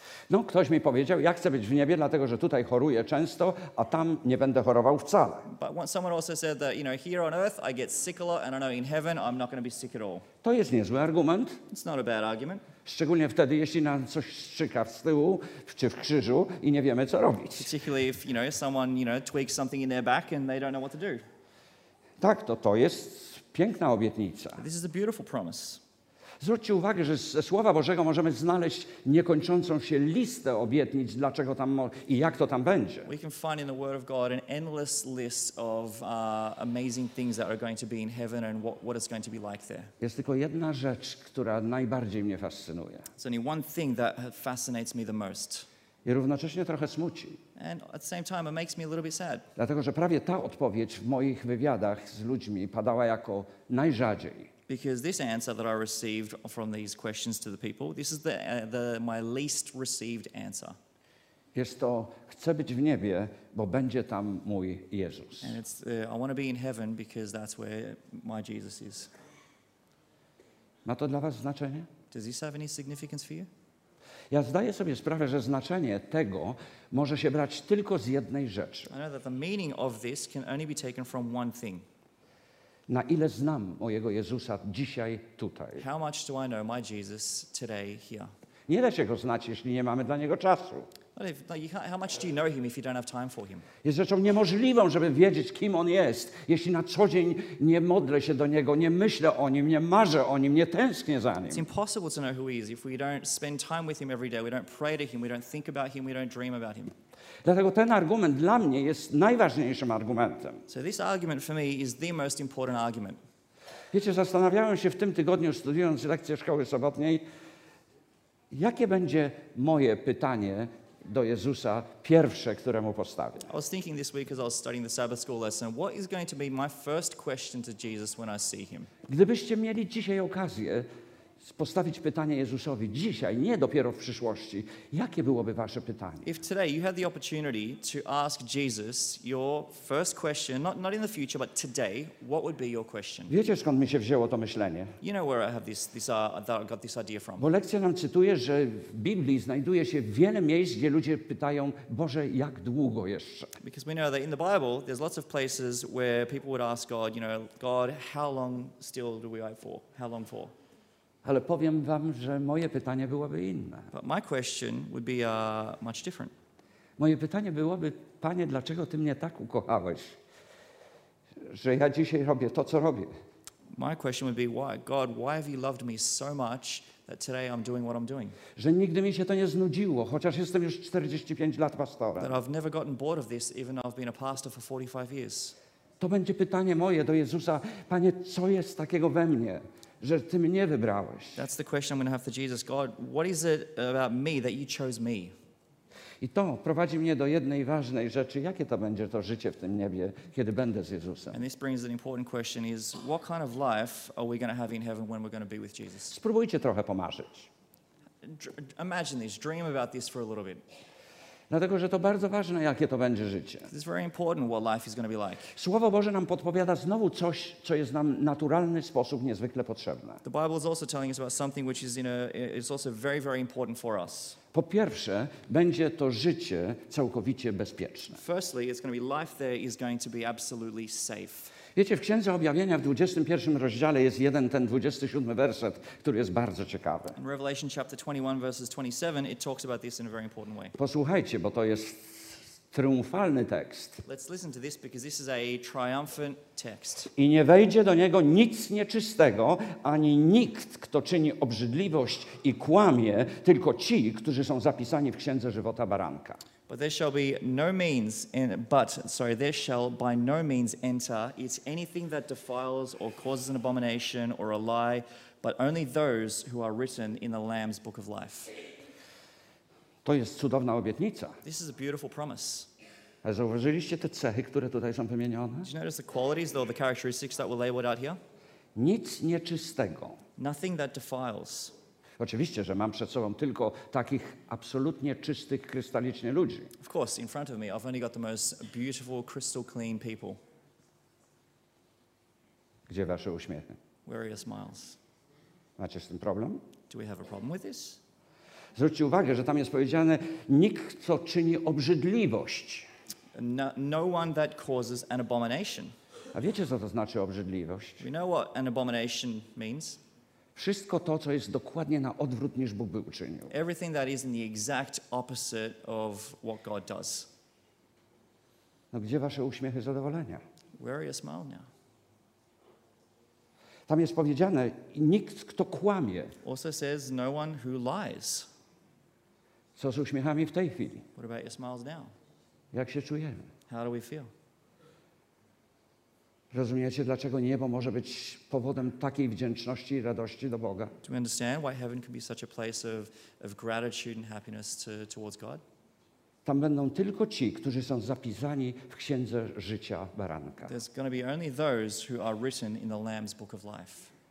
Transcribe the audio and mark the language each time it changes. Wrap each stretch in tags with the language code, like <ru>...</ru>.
<pl>No, ktoś mi powiedział, ja chcę być w niebie, dlatego że tutaj choruję często, a tam nie będę chorował wcale.</pl> <en>But someone also said that, you know, here on earth I get sick a lot, and I know in heaven I'm not going to be sick at all.</en> <pl>To jest niezły argument.</pl> <en>It's not a bad argument.</en> <pl>Szczególnie wtedy, jeśli nam coś strzyka w tyłu, czy w krzyżu i nie wiemy, co robić.</pl> <en>Particularly if, you know, someone, you know, tweaks something in their back and they don't know what to do.</en> <pl>Tak, to jest piękna obietnica.</pl> <en>This is a beautiful promise.</en> <pl>Zwróćcie uwagę, że ze Słowa Bożego możemy znaleźć niekończącą się listę obietnic, dlaczego tam i jak to tam będzie.</pl> <en>We can find in the Word of God an endless list of amazing things that are going to be in heaven and what it's going to be like there.</en> <pl>Jest tylko jedna rzecz, która najbardziej mnie fascynuje.</pl> <en>It's only one thing that fascinates me the most.</en> <pl>I równocześnie trochę smuci.</pl> <en>And at the same time it makes me a little bit sad.</en> <pl>Dlatego, że prawie ta odpowiedź w moich wywiadach z ludźmi padała jako najrzadziej.</pl> <en>Because this answer that I received from these questions to the people, this is the my least received answer.</en> <pl>Jest to, chcę być w niebie, bo będzie tam mój Jezus.</pl> <en>And it's, I want to be in heaven because that's where my Jesus is.</en> <pl>Ma to dla was znaczenie?</pl> <en>Does this have any significance for you?</en> <pl>Ja zdaję sobie sprawę, że znaczenie tego może się brać tylko z jednej rzeczy.</pl> <en>I know that the meaning of this can only be taken from one thing.</en> <pl>Na ile znam mojego Jezusa dzisiaj tutaj?</pl> <en>How much do I know my Jesus today here?</en> <pl>Nie da się go znać, jeśli nie mamy dla niego czasu.</pl> <en>How much do you know him if you don't have time for him?</en> <pl>Jest rzeczą niemożliwą, żeby wiedzieć, kim on jest, jeśli na co dzień nie modlę się do niego, nie myślę o nim, nie marzę o nim, nie tęsknię za nim.</pl> <en>It's impossible to know who he is if we don't spend time with him every day, we don't pray to him, we don't think about him, we don't dream about him.</en> <pl>Dlatego ten argument dla mnie jest najważniejszym argumentem.</pl> <en>So this argument for me is the most important argument.</en> <pl>Wiecie, zastanawiałem się w tym tygodniu, studiując lekcję szkoły sobotniej, jakie będzie moje pytanie do Jezusa, pierwsze, które mu postawię.</pl> <en>I was thinking this week as I was studying the Sabbath school lesson, what is going to be my first question to Jesus when I see him?</en> <pl>Gdybyście mieli dzisiaj okazję postawić pytanie Jezusowi, dzisiaj, nie dopiero w przyszłości, jakie byłoby wasze pytanie?</pl> <en>If today you had the opportunity to ask Jesus your first question, not in the future, but today, what would be your question?</en> <pl>Wiecie, skąd mi się wzięło to myślenie?</pl> <en>You know where I have that I got this idea from.</en> <pl>Bo lekcja nam cytuje, że w Biblii znajduje się wiele miejsc, gdzie ludzie pytają, Boże, jak długo jeszcze?</pl> <en>Because we know that in the Bible, there's lots of places where people would ask God, you know, God, how long still do we wait for? How long for?</en> <pl>Ale powiem wam, że moje pytanie byłoby inne.</pl> <en>But my question would be much different.</en> <pl>Moje pytanie byłoby, Panie, dlaczego Ty mnie tak ukochałeś, że ja dzisiaj robię to, co robię?</pl> <en>My question would be, why? God, why have you loved me so much that today I'm doing what I'm doing?</en> <pl>Że nigdy mi się to nie znudziło, chociaż jestem już 45 lat pastorem.</pl> <en>That I've never gotten bored of this, even though I've been a pastor for 45 years.</en> <pl>To będzie pytanie moje do Jezusa, Panie, co jest takiego we mnie, że Ty mnie wybrałeś.</pl> <en>That's the question I'm going to have for Jesus. God, what is it about me that you chose me?</en> <pl>I to prowadzi mnie do jednej ważnej rzeczy. Jakie to będzie to życie w tym niebie, kiedy będę z Jezusem?</pl> <en>And this brings an important question is, what kind of life are we going to have in heaven when we're going to be with Jesus?</en> <pl>Spróbujcie trochę pomarzyć.</pl> <en>Imagine this, dream about this for a little bit.</en> <pl>Dlatego, że to bardzo ważne, jakie to będzie życie.</pl> <en>It's very important what life is going to be like.</en> <pl>Słowo Boże nam podpowiada znowu coś, co jest nam naturalny sposób niezwykle potrzebne.</pl> <en>The Bible is also telling us about something which is is also very, very important for us.</en> <pl>Po pierwsze, będzie to życie całkowicie bezpieczne.</pl> <en>Firstly, it's going to be life there is going to be absolutely safe.</en> <pl>Wiecie, w Księdze Objawienia w 21 rozdziale jest jeden ten 27 werset, który jest bardzo ciekawy.</pl> <en>In Revelation chapter 21 verses 27 it talks about this in a very important way.</en> <pl>Posłuchajcie, bo to jest triumfalny tekst.</pl> <en>Let's listen to this because this is a triumphant text.</en> <pl>I nie wejdzie do niego nic nieczystego, ani nikt, kto czyni obrzydliwość i kłamie, tylko ci, którzy są zapisani w Księdze Żywota Baranka.</pl> <en>But there shall be no means in but sorry there shall by no means enter it anything that defiles or causes an abomination or a lie but only those who are written in the Lamb's book of life.</en> <pl>To jest cudowna obietnica.</pl> <en>This is a beautiful promise.</en> <pl>A zauważyliście te cechy, które tutaj są wymienione?</pl> <en>Did you notice the qualities or the characteristics that were labeled out here?</en> <pl>Nic nieczystego.</pl> <en>Nothing that defiles.</en> <pl>Oczywiście, że mam przed sobą tylko takich absolutnie czystych, krystalicznie ludzi.</pl> <en>Of course, in front of me, I've only got the most beautiful, crystal clean people.</en> <pl>Gdzie wasze uśmiechy?</pl> <en>Where are your smiles?</en> <pl>Macie z tym problem?</pl> <en>Do we have a problem with this?</en> <pl>Zwróćcie uwagę, że tam jest powiedziane, nikt, kto czyni obrzydliwość.</pl> <en>No one that causes an abomination.</en> <pl>A wiecie, co to znaczy obrzydliwość?</pl> <en>We know what an abomination means.</en> <pl>Wszystko to, co jest dokładnie na odwrót, niż Bóg by uczynił.</pl> <en>Everything that is in the exact opposite of what God does.</en> <pl>No gdzie wasze uśmiechy zadowolenia?</pl> <en>Where are your smile now?</en> <pl>Tam jest powiedziane, nikt, kto kłamie.</pl> <en>Also says no one who lies.</en> <pl>Co z uśmiechami w tej chwili?</pl> <en>What about your smiles now?</en> <pl>Jak się czujemy?</pl> <en>How do we feel?</en> <pl>Rozumiecie, dlaczego niebo może być powodem takiej wdzięczności i radości do Boga?</pl> <en>Do you understand why heaven can be such a place of gratitude and happiness towards God?</en> <pl>Tam będą tylko ci, którzy są zapisani w Księdze Życia Baranka.</pl> <en>There's going to be only those who are written in the Lamb's Book of Life.</en>